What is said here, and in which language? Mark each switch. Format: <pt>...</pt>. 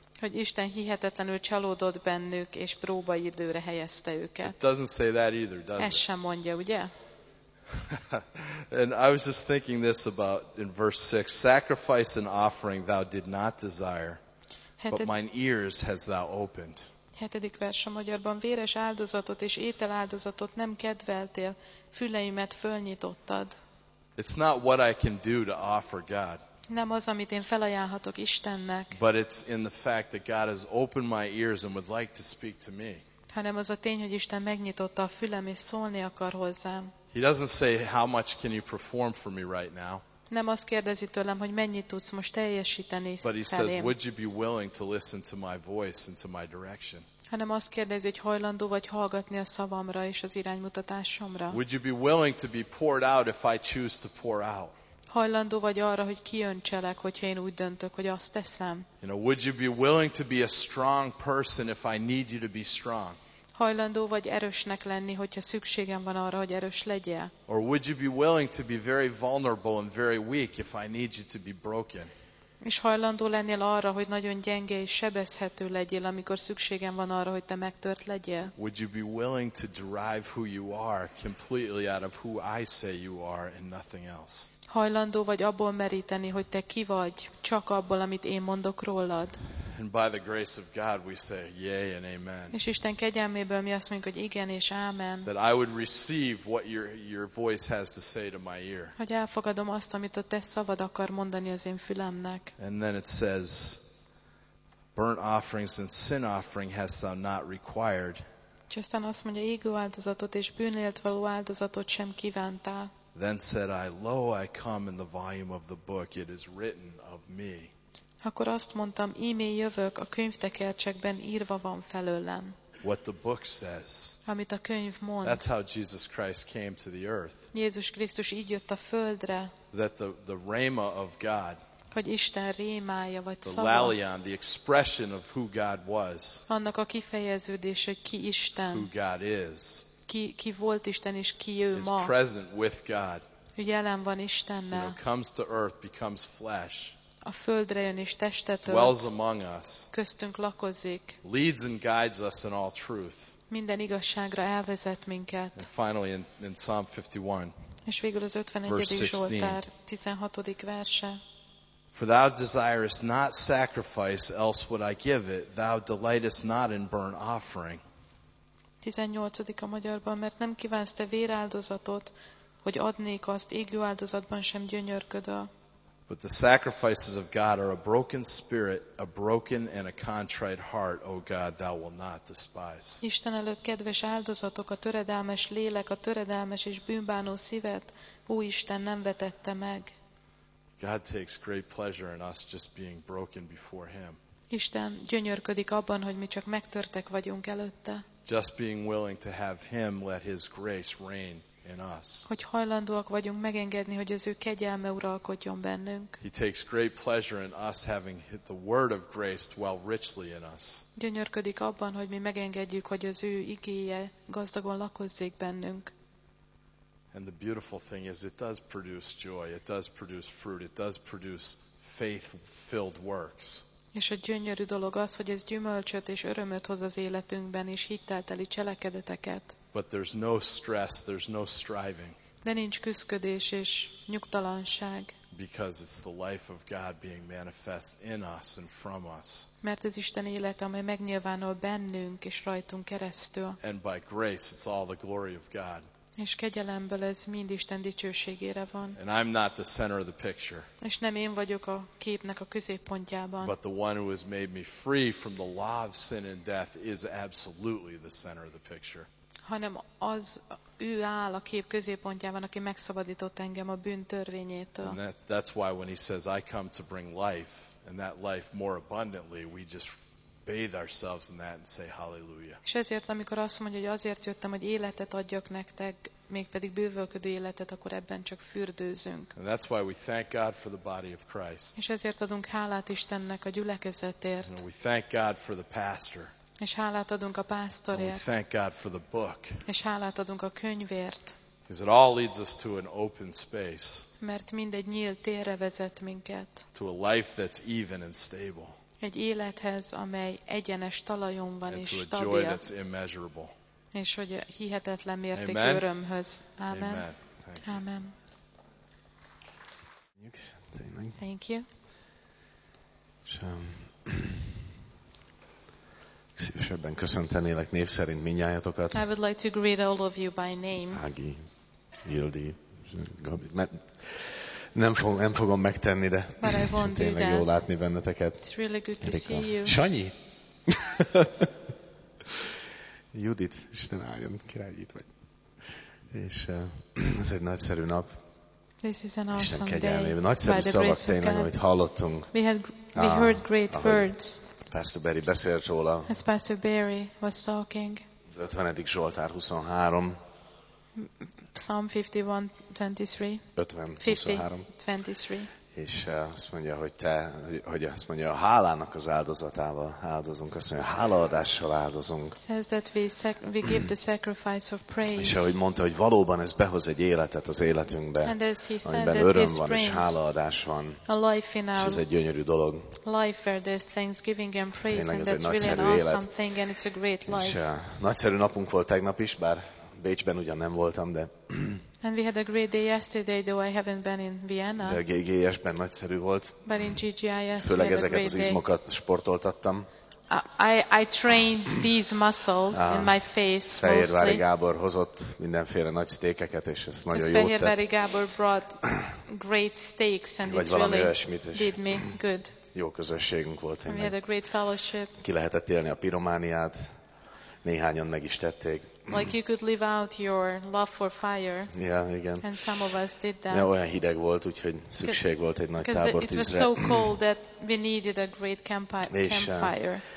<hu>Hogy Isten hihetetlenül csalódott bennük és próbaidőre helyezte őket.</hu> <en>It doesn't say that either, does it?</en> <hu>Ez sem mondja, ugye?</hu> <en>And I was just thinking this about in verse 6, sacrifice and offering thou did not desire, but mine ears has thou opened.</en> <hu>7. vers a magyarban, véres áldozatot és ételáldozatot nem kedveltél, füleimet fölnyitottad.</hu> <en>It's not what I can do to offer God.</en> <hu>Nem az, amit én felajánlhatok Istennek.</hu> <en>But it's in the fact that God has opened my ears and would like to speak to me.</en> <hu>Hanem az a tény, hogy Isten megnyitotta a fülem és szólni akar hozzám.</hu> <en>He doesn't say how much can you perform for me right now.</en> <hu>Nem azt kérdezi tőlem, hogy mennyit tudsz most teljesíteni felém.</hu> <en>But he says, would you be willing to listen to my voice and to my direction?</en> <hu>Hanem azt kérdezi, hogy hajlandó vagy hallgatni a szavamra és az iránymutatásomra.</hu> <en>Would you be willing to be poured out if I choose to pour out?</en> <hu>Hajlandó vagy arra, hogy kiöntselek, hogyha én úgy döntök, hogy azt teszem?</hu> <en>You know, would you be willing to be a strong person if I need you to be strong?</en> <hu>Hajlandó vagy erősnek lenni, hogyha szükségem van arra, hogy erős legyél?</hu> <en>Or would you be willing to be very vulnerable and very weak if I need you to be broken?</en> <hu>És hajlandó lennél arra, hogy nagyon gyenge és sebezhető legyél, amikor szükségem van arra, hogy te megtört legyél?</hu> <en>Would you be willing to derive who you are completely out of who I say you are and nothing else?</en> <hu>Hajlandó vagy abból meríteni, hogy te ki vagy, csak abból, amit én mondok rólad?</hu> <en>And by the grace of God we say yay and amen.</en> <hu>És Isten kegyelméből mi azt mondjuk, hogy igen és ámen.</hu> <en>That I would receive what your voice has to say to my ear.</en> <hu>Hogy elfogadom azt, amit a te szavad akar mondani az én fülemnek.</hu> <en>And then it says burnt offerings and sin offering hast thou not required.</en> <hu>És aztán azt mondja, égő áldozatot és bűnélt való áldozatot sem kívántál.</hu> <en>Then said I, lo, I come in the volume of the book, it is written of me.</en> <hu>Akkor azt mondtam, ímé jövök, a könyvtekercsekben írva van felőlem.</hu> <en>What the book says.</en> <hu>Amit a könyv mond.</hu> <en>That's how Jesus Christ came to the earth.</en> <hu>Jézus Krisztus így jött a földre.</hu> <en>That the réma of God.</en> <hu>Hogy Isten rémája vagy szava.</hu> <en>The lalion, the expression of who God was.</en> <hu>Annak a kifejeződése, ki Isten.</hu> <en>Who God is.</en> <hu>Ki volt Isten és ki ő ma.</hu> <en>Is present with God.</en> <hu>Jelen van Istennel.</hu> <en>You know, comes to earth, becomes flesh.</en> <hu>A földre jön és testet ölt.</hu> <en>Dwells among us.</en> <hu>Köztünk lakozik.</hu> <en>Leads and guides us in all truth.</en> <hu>Minden igazságra elvezet minket.</hu> <en>And finally in Psalm 51.</en> <hu>És végül az 51. Zsoltár 16. verse.</hu> <en>For thou desirest not sacrifice, else would I give it. Thou delightest not in burnt offering.</en> <hu>18. a magyarban, mert nem kívánsz te véráldozatot, hogy adnék azt, égő áldozatban sem gyönyörködöl.</hu> <en>But the sacrifices of God are a broken spirit, a broken and a contrite heart, O God, thou wilt not despise.</en> <hu>Isten előtt kedves áldozatok, a töredelmes lélek, a töredelmes és bűnbánó szívet, ó Isten, nem vetette meg.</hu> <en>God takes great pleasure in us just being broken before Him.</en> <hu>Isten gyönyörködik abban, hogy mi csak megtörtek vagyunk előtte.</hu> <en>Just being willing to have Him let His grace reign. In us.</en> <hu>Hogy hajlandóak vagyunk megengedni, hogy az ő kegyelme uralkodjon bennünk.</hu> <en>He takes great pleasure in us having the word of grace dwell richly in us.</en> <hu>Gyönyörködik abban, hogy mi megengedjük, hogy az ő igéje gazdagon lakozzék bennünk.</hu> <en>And the beautiful thing is it does produce joy, it does produce fruit, it does produce faith-filled works.</en> <hu>És a gyönyörű dolog az, hogy ez gyümölcsöt és örömöt hoz az életünkben, és hittel teli cselekedeteket.</hu> <en>But there's no stress, there's no striving.</en> <hu>De nincs küszködés és nyugtalanság.</hu> <en>Because it's the life of God being manifest in us and from us.</en> <hu>Mert ez Isten élete, amely megnyilvánul bennünk és rajtunk keresztül.</hu> <en>And by grace, it's all the glory of God.</en> <hu>És kegyelemből ez mind Isten dicsőségére van.</hu> <en>And I'm not the center of the picture.</en> <hu>És nem én vagyok a képnek a középpontjában.</hu> <en>But the one who has made me free from the law of sin and death is absolutely the center of the picture.</en> <hu>Hanem az ő áll a kép középpontjában, aki megszabadított engem a bűn törvényétől.</hu> <en>And that's why when he says I come to bring life and that life more abundantly, we just bathe ourselves in that and say hallelujah.</en> <hu>És ezért, amikor azt mondja, hogy azért jöttem, hogy életet adjak nektek, mégpedig bővölködő életet, akkor ebben csak fürdőzünk.</hu> <en>And that's why we thank God for the body of Christ.</en> <hu>És ezért adunk hálát Istennek a gyülekezetért.</hu> <en>And we thank God for the pastor.</en> <hu>És hálát adunk a pásztorért.</hu> <en>And we thank God for the book.</en> <hu>És hálát adunk a könyvért.</hu> <en>Because it all leads us to an open space.</en> <hu>Mert mindegy nyílt térre vezet minket.</hu> <en>To a life that's even and stable.</en> <hu>Egy élethez, amely egyenes talajon van és stabil. És hogy hihetetlen mértékű örömhöz.</hu> <en>Amen. Amen. Thank you.</en> <hu>Szívesebben köszöntenélek név szerint mindnyájatokat.</hu> <en>I would like to greet all of you by name.</en> <hu>Ági, Ildi, Gabi. Nem fogom megtenni, de tényleg jó látni benneteket.</hu> <en>It's really good to see you.</en> <hu>Sanyi! Judit, Isten álljon, király itt vagy. És ez egy nagyszerű nap.</hu> <en>This is an awesome day.</en> <hu>Nagyszerű szavak tényleg, amit hallottunk.</hu> <en>We heard great words.</en> <hu>Pastor Barry beszélt róla.</hu> <en>As Pastor Barry was talking.</en> <hu>50. Zsoltár 23.</hu> <en>Psalm 51:23. 50:23.</en> <hu>És azt mondja, hogy azt mondja, a hálának az áldozatával áldozunk, azt mondja, hálaadással áldozunk.</hu> <en>Says that we give the sacrifice of praise.</en> <hu>És ahogy mondta, hogy valóban ez behoz egy életet az életünkbe, amiben öröm van és hálaadás van.</hu> <en>A life in our</en> <hu>és ez egy gyönyörű dolog.</hu> <en>Life where there's thanksgiving and praise, and that's really an awesome thing, and it's a great life.</en> <hu>És nagyszerű napunk volt tegnap is, bár Bécsben ugyan nem voltam, de.</hu> <en>And we had a great day yesterday, though I haven't been in Vienna.</en> <hu>De a GGIS-ben nagyszerű volt.</hu> <en>But in GGIS,</en> <hu>főleg ezeket az izmokat sportoltattam.</hu> <en>I trained these muscles in my face mostly.</en> <hu>Fehérvári Gábor hozott mindenféle nagy steakeket, és ez nagyon jó tett.</hu> <en>Fehérvári Gábor brought great steaks, and it really did me good.</en> <hu>jó közösségünk volt.</hu> <en>We had a great fellowship.</en> <hu>Ki lehetett élni a piromániát. Néhányan meg is tették.</hu> <en>Like you could live out your love for fire.</en> <hu>Yeah, igen.</hu> <en>And some of us did that.</en> <hu>De olyan hideg volt, úgyhogy szükség volt egy nagy tábor tűzre.</hu> <en>It was so cold that we needed a great campfire.</en>